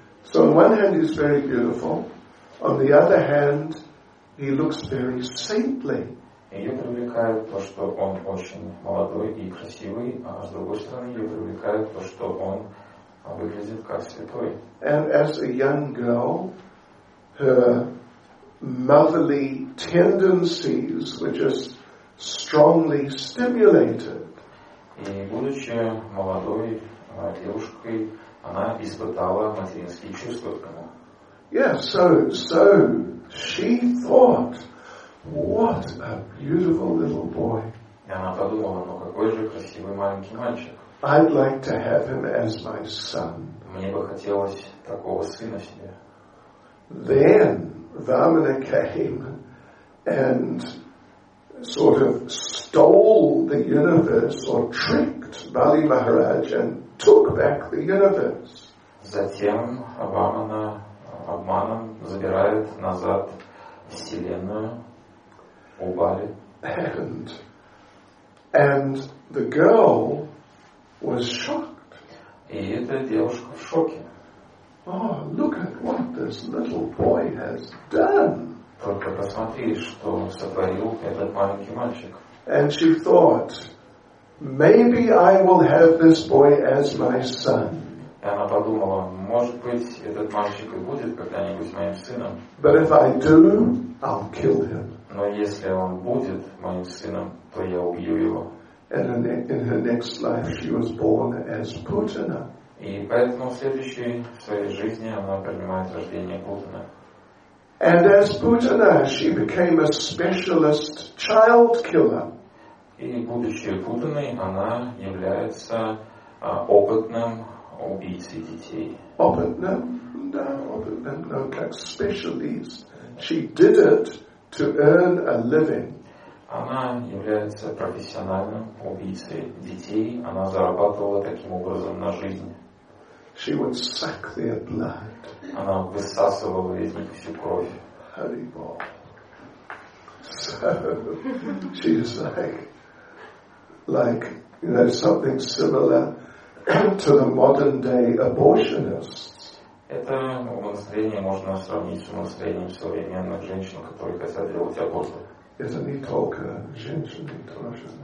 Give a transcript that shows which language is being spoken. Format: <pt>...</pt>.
<en>So on one hand he's very beautiful. On the other hand, he looks very saintly.</en> <ru>Ее привлекает то, что он очень молодой и красивый, а с другой стороны ее привлекает то, что он выглядит как святой.</ru> <en>And as a young girl, her motherly tendencies were just strongly stimulated.</en> <ru>И будучи молодой девушкой, она испытала материнские чувства к нему.</ru> <en>Yes, so she thought, what a beautiful little boy.</en> <ru>И она подумала, ну какой же красивый маленький мальчик.</ru> <en>I'd like to have him as my son.</en> <ru>Мне бы хотелось такого сына себе.</ru> <en>Then Vamana came and sort of stole the universe or tricked Bali Maharaj and took back the universe.</en> <ru>Затем Вамана обманом забирает назад вселенную у Бали.</ru> <en>And the girl was shocked.</en> <ru>И эта девушка в шоке.</ru> <en>Oh, look at what this little boy has done.</en> <ru>Только посмотри, что сотворил этот маленький мальчик.</ru> <en>And she thought, maybe I will have this boy as my son.</en> <ru>И она подумала, может быть, этот мальчик и будет когда-нибудь моим сыном.</ru> <en>But if I do, I'll kill him.</en> <ru>Но если он будет моим сыном, то я убью его.</ru> <en>And in her next life, she was born as Putana.</en> <ru>И поэтому в следующей своей жизни она принимает рождение Путана.</ru> <en>And as Putana, she became a specialist child killer.</en> <ru>И будучи Путаной, она является опытным убийцей детей. Опытным, как</ru> <en>specialist. She did it to earn a living.</en> <ru>Она является профессиональным убийцей детей. Она зарабатывала таким образом на жизнь.</ru> <en>She would suck their blood.</en> <ru>Она высасывала из них всю кровь. Hurry ball.</ru> <en>So she's like you know, something similar to the modern day abortionists.</en> <ru>Это умозрение можно сравнить с умозрением современных женщин, которые хотят делать аборты. Это не только женщины, тоже.</ru>